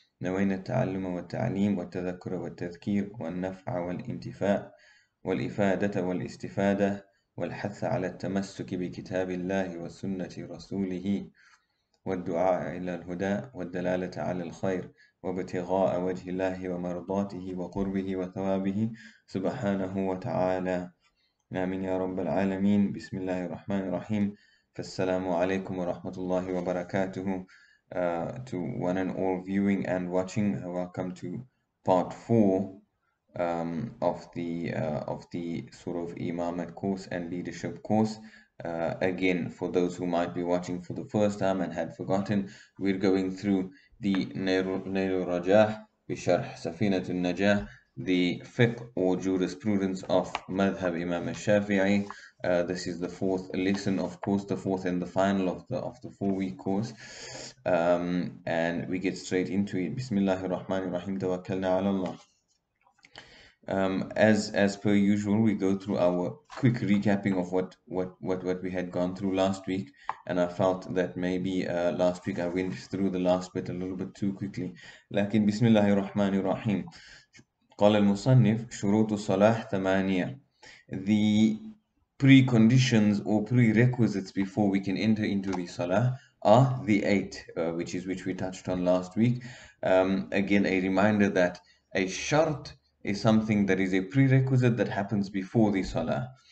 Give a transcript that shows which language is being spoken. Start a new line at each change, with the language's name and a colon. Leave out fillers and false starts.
Arabic: نوينا التعلم والتعليم والتذكر والتذكير والنفع والانتفاع والإفادة والاستفادة والحث على التمسك بكتاب الله وسنة رسوله والدعاء إلى الهدى والدلالة على الخير وابتغاء وجه الله ومرضاته وقربه وثوابه سبحانه وتعالى. آمين يا رب العالمين. بسم الله الرحمن الرحيم. فالسلام عليكم ورحمة الله وبركاته.
English: To one and all viewing and watching, welcome to part four of the sort of Imamat course and leadership course. Again, for those who might be watching for the first time and had forgotten, we're going through the Nairu Rajah Bisharh Safinat al-Najah, the fiqh or jurisprudence of Madhab Imam al-Shafi'i. This is the fourth lesson, of course, the fourth and the final of the four-week course. And we get straight into it.
Arabic: Bismillahir Rahmanir Rahim, tawakkalna 'ala Allah.
English: As per usual, we go through our quick recapping of what we had gone through last week, and I felt that maybe last week I went through the last bit a little bit too quickly.
Arabic: Lakin Bismillahir Rahmanir Rahim. قال المصنف شروط الصلاح ثمانية.
English: The preconditions or prerequisites before we can enter into the salah are the eight, which we touched on last week. Again, a reminder that a shart is something that is a prerequisite that happens before the salah.